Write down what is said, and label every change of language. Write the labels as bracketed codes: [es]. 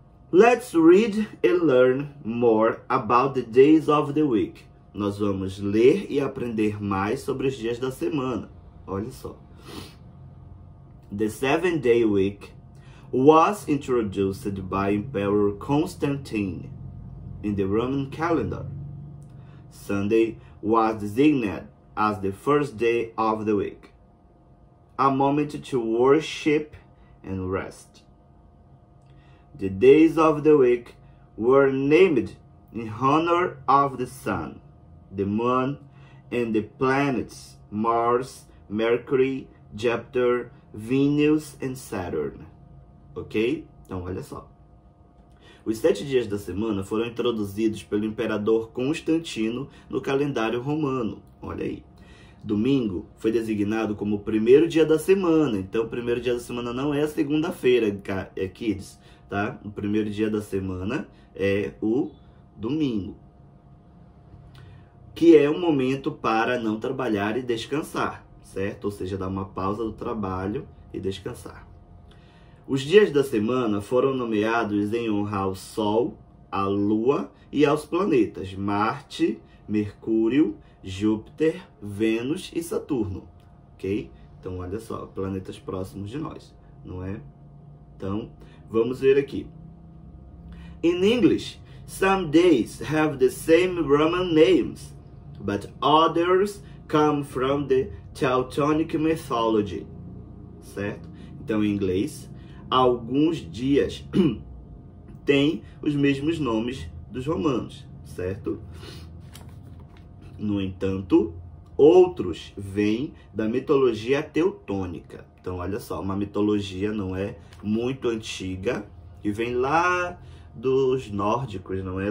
[en] Let's read and learn more about the days of the week. [pt] Nós vamos ler e aprender mais sobre os dias da semana. Olha só. [en] The seven-day week was introduced by Emperor Constantine in the Roman calendar. Sunday was designated as the first day of the week, a moment to worship and rest. The days of the week were named in honor of the sun, the moon, and the planets Mars, Mercury, Jupiter, Venus, and Saturn. [pt] Ok? Então, olha só. Os sete dias da semana foram introduzidos pelo imperador Constantino no calendário romano. Olha aí. Domingo foi designado como o primeiro dia da semana. Então, o primeiro dia da semana não é a segunda-feira, kids. Tá? O primeiro dia da semana é o domingo, que é um momento para não trabalhar e descansar, certo? Ou seja, dar uma pausa do trabalho e descansar. Os dias da semana foram nomeados em honra ao Sol, à Lua e aos planetas Marte, Mercúrio, Júpiter, Vênus e Saturno, ok? Então, olha só, planetas próximos de nós, não é? Então, vamos ver aqui. [en] In English, some days have the same Roman names, but others come from the Teutonic mythology, certo? [pt] Então, em inglês, alguns dias têm os mesmos nomes dos romanos, certo? No entanto, outros vêm da mitologia teutônica. Então, olha só, uma mitologia não é muito antiga, que vem lá dos nórdicos, não é?